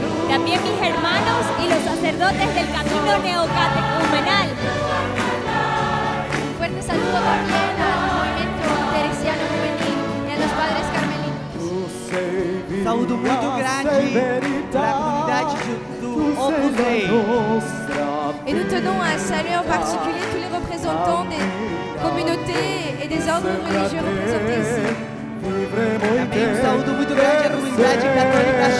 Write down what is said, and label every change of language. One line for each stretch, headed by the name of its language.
Spanish: También mis hermanos y los sacerdotes del camino neocatecumenal. Un fuerte saludo también al movimiento teresiano juvenil y a los padres carmelitos. Un saludo muy grande para la comunidad de Opus Dei.
French: Et nous tenons à saluer en particulier tous les représentants des communautés et des ordres religieux représentés ici.
Spanish: Un saludo muy grande à la comunidad catholique.